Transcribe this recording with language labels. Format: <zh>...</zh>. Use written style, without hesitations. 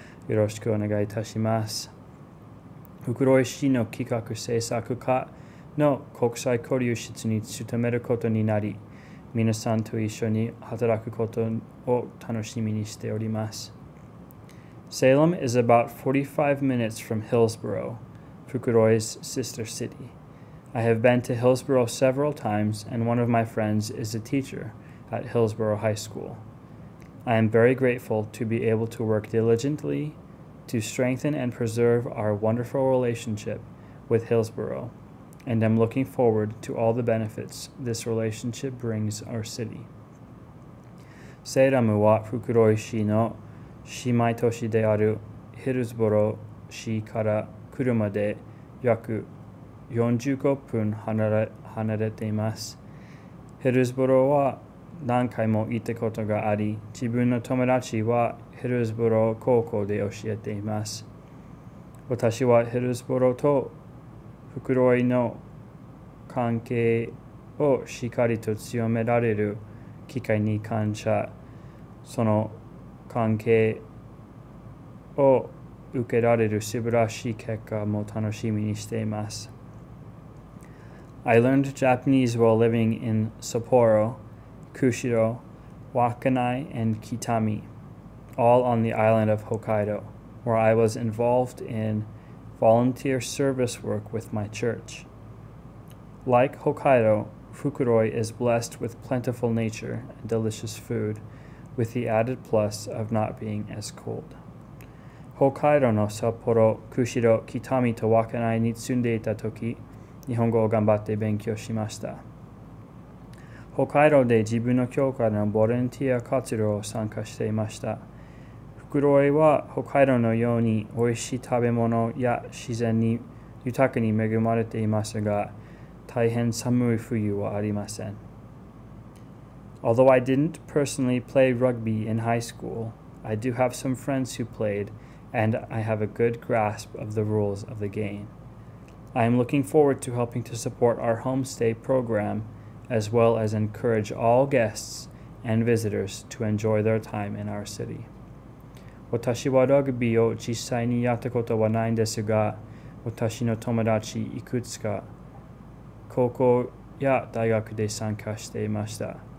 <ja>よろしくお願いいたします。袋井市の企画政策課の国際交流室に勤めることになり、皆さんと一緒に働くことを楽しみにしております。</ja> <en>Salem is about 45 minutes from Hillsboro, 袋井's sister city. I have been to Hillsboro several times, and one of my friends is a teacher at Hillsboro High School. I am very grateful to be able to work diligently to strengthen and preserve our wonderful relationship with Hillsboro, and I'm looking forward to all the benefits this relationship brings our city.</en> <ja>Salem は袋井市の姉妹都市であるヒルズボロ市から車で約45分離れています。ヒルズボロは何回も行ったことがあり、自分の友達はヒルズボロ高校で教えています。私はヒルズボロと袋井の関係をしっかりと強められる機会に感謝、その関係を受けられる素晴らしい結果も楽しみにしています。</ja> <en>I learned Japanese while living in Sapporo. Kushiro, Wakanai, and Kitami, all on the island of Hokkaido, where I was involved in volunteer service work with my church. Like Hokkaido, Fukuroi is blessed with plentiful nature and delicious food, with the added plus of not being as cold.</en> <ja>Hokkaido no Sapporo, Kushiro, Kitami to Wakanai ni tsundei ta toki, Nihongo o ganbatte benkyou shimashita. 北海道で自分の教会のボランティア活動を参加していました。袋井は北海道のように美味しい食べ物や自然に豊かに恵まれていますが、大変寒い冬はありません。</ja> <en>Although I didn't personally play rugby in high school, I do have some friends who played, and I have a good grasp of the rules of the game. I am looking forward to helping to support our homestay program. As well as encourage all guests and visitors to enjoy their time in our city.</en> <ja>私はラグビーを実際にやったことはないんですが、私の友達いくつか高校や大学で参加していました。</ja>